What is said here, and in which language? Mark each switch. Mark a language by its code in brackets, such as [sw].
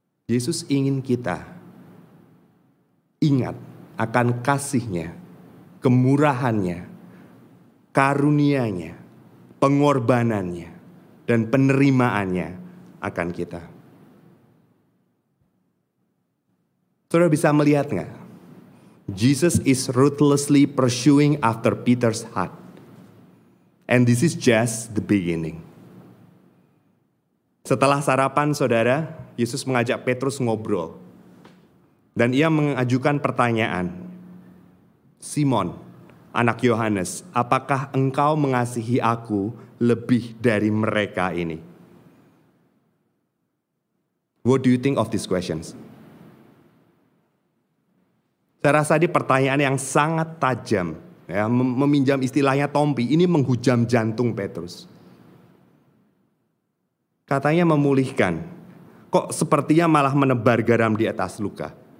[id] Yesus ingin kita ingat akan kasihnya, kemurahannya, karunianya, pengorbanannya, dan penerimaannya akan kita. Saudara bisa melihat gak? [en] Jesus is ruthlessly pursuing after Peter's heart. And this is just the beginning. [id] Setelah sarapan, saudara, Yesus mengajak Petrus ngobrol. Dan ia mengajukan pertanyaan. Simon, anak Yohanes, apakah engkau mengasihi aku lebih dari mereka ini? [en] What do you think of these questions? [id] Saya rasa ini pertanyaan yang sangat tajam, ya, meminjam istilahnya Tompi, ini menghujam jantung Petrus. Katanya memulihkan, kok sepertinya malah menebar garam di atas luka.